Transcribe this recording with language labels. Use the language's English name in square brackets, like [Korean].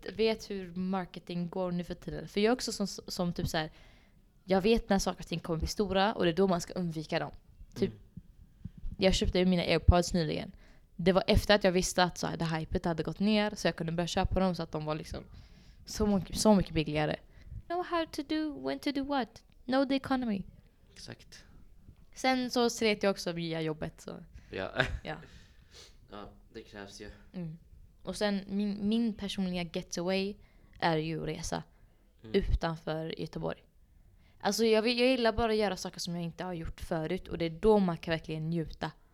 [Swedish] Vet hur marketing går nu för tiden. För jag är också som typ så här. Jag vet när saker och ting kommer bli stora. Och det är då man ska undvika dem. Typ, jag köpte ju mina AirPods nyligen. Det var efter att jag visste att så här, det hypet hade gått ner. Så jag kunde börja köpa dem så att de var liksom så mycket billigare. [English] Know how to do, when to do what. Know the economy. [Swedish] Exakt. Sen så slet jag också via jobbet. Så. Ja. Ja. Ja, det krävs ju. Och sen min personliga getaway är ju resa utanför Göteborg. Alltså jag gillar bara att göra saker som jag inte har gjort förut. Och det är då man kan verkligen njuta.